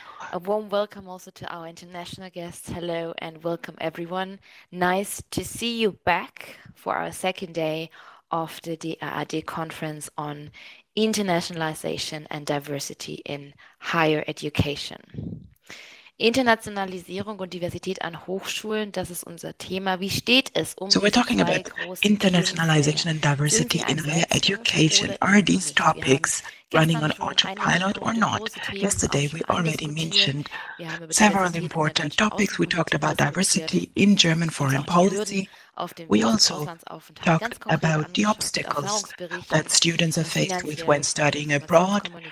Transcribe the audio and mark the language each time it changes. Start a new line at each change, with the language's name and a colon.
English: A warm welcome also to our international guests. Hello and welcome everyone. Nice to see you back for our second day of the DAAD Conference on Internationalisation and Diversity in Higher Education.
German: Internationalisierung und Diversität an Hochschulen, das ist unser Thema. Wie steht es um
English: So we're talking about internationalization and diversity in higher education. Are these topics running on autopilot or not? Yesterday we already mentioned several important topics. We talked about diversity in German foreign policy. We also talked about the obstacles that students are faced with when studying abroad.